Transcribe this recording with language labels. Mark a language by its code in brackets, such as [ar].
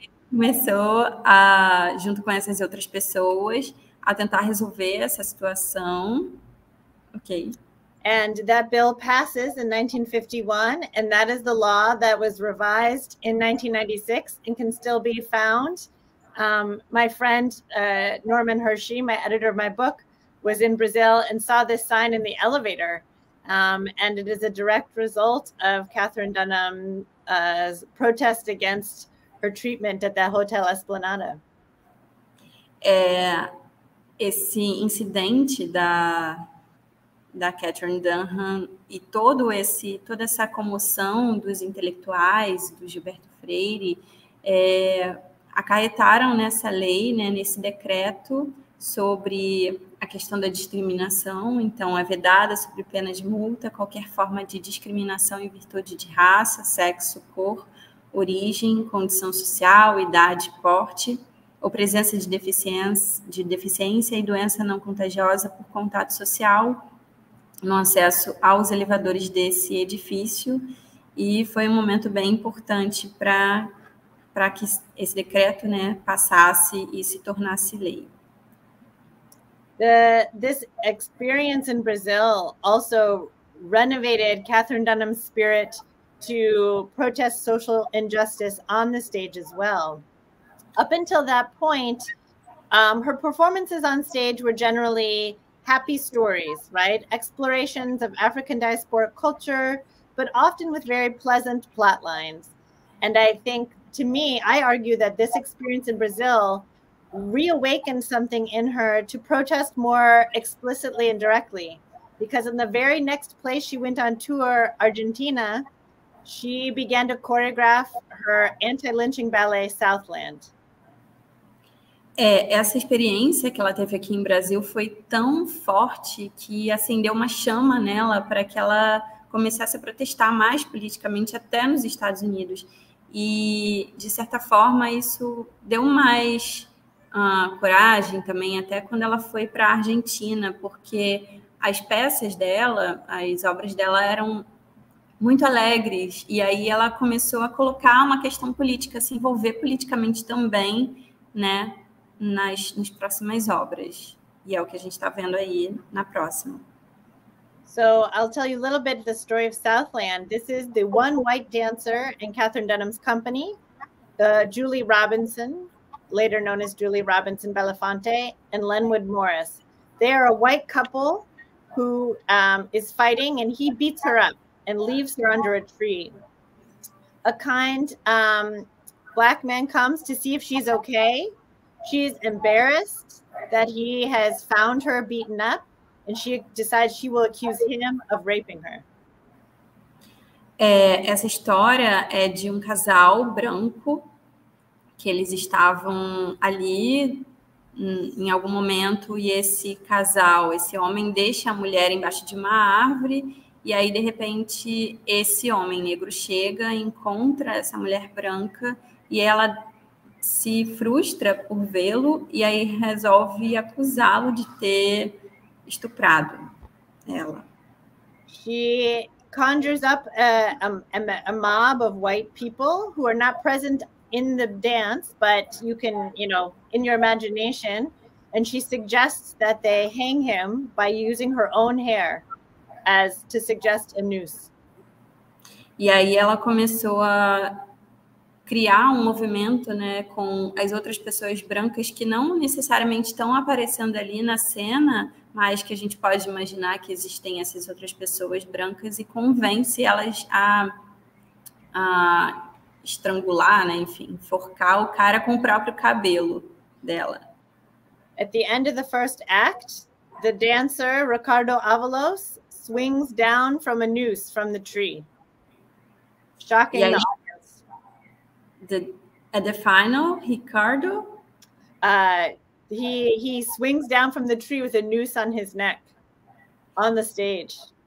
[pt] Começou a, junto com essas outras pessoas, a tentar resolver essa situação. [en] Okay. And that bill passes in 1951, and that is the law that was revised in 1996 and can still be found. My friend Norman Hershey, my editor of my book, was in Brazil and saw this sign in the elevator. And it is a direct result of Catherine Dunham's protest against her treatment at the Hotel Esplanada. [pt] Esse incidente da Catherine Dunham e toda essa comoção dos intelectuais, do Gilberto Freire, acarretaram nessa lei, né, nesse decreto sobre a questão da discriminação. Então, é vedada, sob pena de multa, qualquer forma de discriminação em virtude de raça, sexo, cor, origem, condição social, idade, porte ou presença de deficiência e doença não contagiosa por contato social no acesso aos elevadores desse edifício. E foi um momento bem importante para que esse decreto, né, passasse e se tornasse lei. [en] This experience in Brazil also renovated Catherine Dunham's spirit to protest social injustice on the stage as well. Up until that point, her performances on stage were generally happy stories, right? Explorations of African diasporic culture, but often with very pleasant plot lines. And I think, to me, I argue that this experience in Brazil reawakened something in her to protest more explicitly and directly. Because in the very next place she went on tour, Argentina, she began to choreograph her anti-lynching ballet, Southland. [pt] Essa experiência que ela teve aqui em Brasil foi tão forte que acendeu uma chama nela para que ela começasse a protestar mais politicamente até nos Estados Unidos. E, de certa forma, isso deu mais coragem também, até quando ela foi para a Argentina, porque as peças dela, as obras dela eram muito alegres. E aí ela começou a colocar uma questão política, se envolver politicamente também, né? Nas próximas obras, e é o que a gente está vendo aí na próxima. [en] So I'll tell you a little bit of the story of Southland. This is the one white dancer in Catherine Dunham's company, Julie Robinson, later known as Julie Robinson Belafonte, and Lenwood Morris. They are a white couple who is fighting, and he beats her up and leaves her under a tree. A kind black man comes to see if she's okay. She's embarrassed that he has found her beaten up, and she decides she will accuse him of raping her. [pt] Essa história é de um casal branco que eles estavam ali em algum momento, e esse casal, esse homem, deixa a mulher embaixo de uma árvore, e aí, de repente, esse homem negro chega, encontra essa mulher branca, e ela se frustra por vê-lo e aí resolve acusá-lo de ter estuprado ela. [en] She conjures up a mob of white people who are not present in the dance, but you can, you know, in your imagination, and she suggests that they hang him by using her own hair as to suggest a noose. [pt] E aí ela começou a criar um movimento, né, com as outras pessoas brancas que não necessariamente estão aparecendo ali na cena, mas que a gente pode imaginar que existem essas outras pessoas brancas, e convence elas a estrangular, né, enfim, forcar o cara com o próprio cabelo dela. [en] At the end of the first act, the dancer Ricardo Avalos swings down from a noose from the tree. Shocking. Yeah. At the final, Ricardo? He swings down from the tree with a noose on his neck, on the stage.